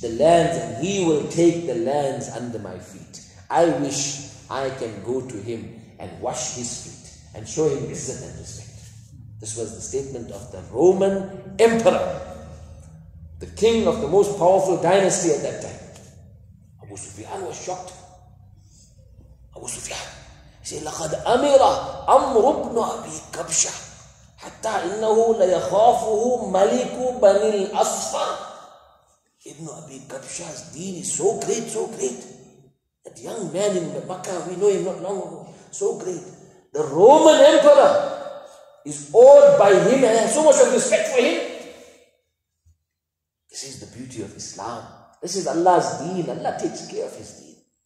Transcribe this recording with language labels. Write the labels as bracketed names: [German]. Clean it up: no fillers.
[English] the lands, and he will take the lands under my feet. I wish I can go to him and wash his feet and show him izzat and respect. This was the statement of the Roman emperor, the king of the most powerful dynasty at that time. Abu Sufyan was shocked. Abu Sufyan. He said, [Arabic] لَقَدْ أَمِرَ أَمْرُ بْنُ أَبِي كَبْشَةً حَتَّى إِنَّهُ لَيَخَافُهُ مَلِكُ بَنِ الْأَصْفَرِ. [English] Ibn Abi Kabsha's deen is so great. That young man in Makkah, we know him not long ago, so great. The Roman emperor is awed by him and has so much of respect for him. This is the beauty of Islam. This is Allah's deen. Allah takes care of his deen.